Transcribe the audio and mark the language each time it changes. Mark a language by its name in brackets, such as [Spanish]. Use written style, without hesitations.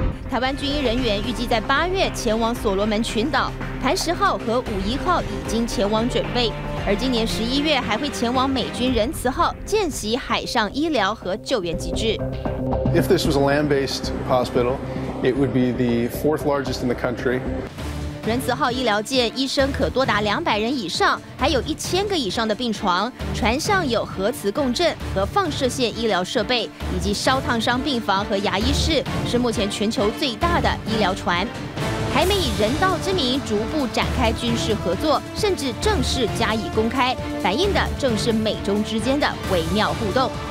[Chinese] 台湾军医人员预计在8月前往所罗门群岛，磐石号和51号已经前往准备。而今年11月还会前往美军仁慈号见习海上医疗和救援机制。 [English] If this was a land-based hospital, it would be the fourth largest in the country. [Chinese] 仁慈号医疗舰医生可多达200人以上，还有1000个以上的病床。船上有核磁共振和放射线医疗设备，以及烧烫伤病房和牙医室，是目前全球最大的医疗船。台美以人道之名逐步展开军事合作，甚至正式加以公开，反映的正是美中之间的微妙互动。